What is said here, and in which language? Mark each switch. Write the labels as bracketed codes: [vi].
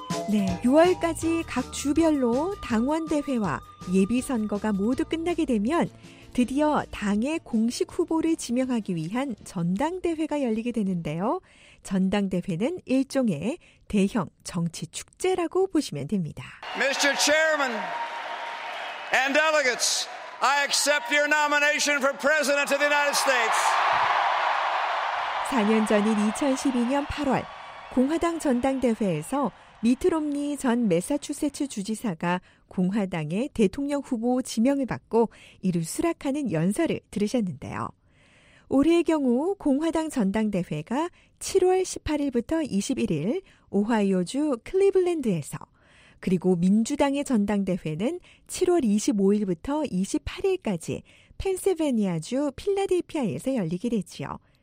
[ko] 네, 6월까지 각 주별로 당원대회와 예비선거가 모두 끝나게 되면 드디어 당의 공식 후보를 지명하기 위한 전당대회가 열리게 되는데요. 전당대회는 일종의 대형 정치 축제라고 보시면 됩니다. [en] Mr. Chairman and delegates, I accept your nomination for President of the United States. [ko] 4년 전인 2012년 8월 공화당 전당대회에서 미트 롬니 전 매사추세츠 주지사가 공화당의 대통령 후보 지명을 받고 이를 수락하는 연설을 들으셨는데요. 올해의 경우 공화당 전당대회가 7월 18일부터 21일 오하이오주 클리블랜드에서 그리고 민주당의 전당대회는 7월 25일부터 28일까지 펜실베니아주 필라델피아에서 열리게 되지요.